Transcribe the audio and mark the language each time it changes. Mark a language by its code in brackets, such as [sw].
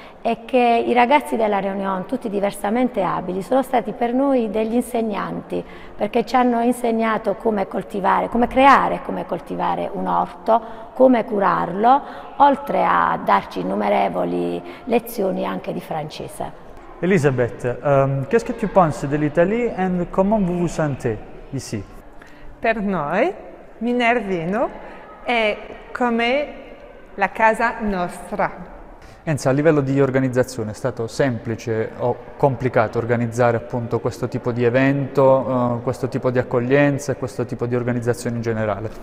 [it] è che i ragazzi della Réunion, tutti diversamente abili, sono stati per noi degli insegnanti, perché ci hanno insegnato come coltivare, come creare, come coltivare un orto, come curarlo, oltre a darci innumerevoli lezioni anche di francese. [fr] Elisabeth, qu'est-ce que tu penses de l'Italie et comment vous vous sentez ici? [it] Per noi, Minervino, è come la casa nostra. Enza, a livello di organizzazione è stato semplice o complicato organizzare appunto questo tipo di evento, questo tipo di accoglienza e questo tipo di organizzazione in generale?